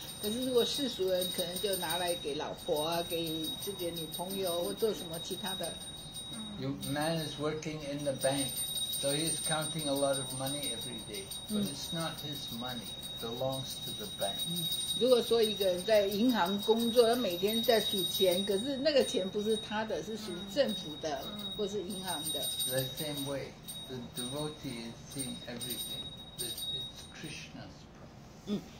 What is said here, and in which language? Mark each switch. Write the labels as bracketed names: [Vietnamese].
[Chinese] 可是如果世俗人可能就拿来给老婆啊，给自己的女朋友或做什么其他的。 [English] Your man is working in the bank. So he's counting a lot of money every day, but it's not his money, it belongs to the bank. [Chinese] 如果说一个人在银行工作，他每天在数钱，可是那个钱不是他的，是属于政府的，或是银行的。 [English] The same way, the devotee is seeing everything, it's Krishna's problem.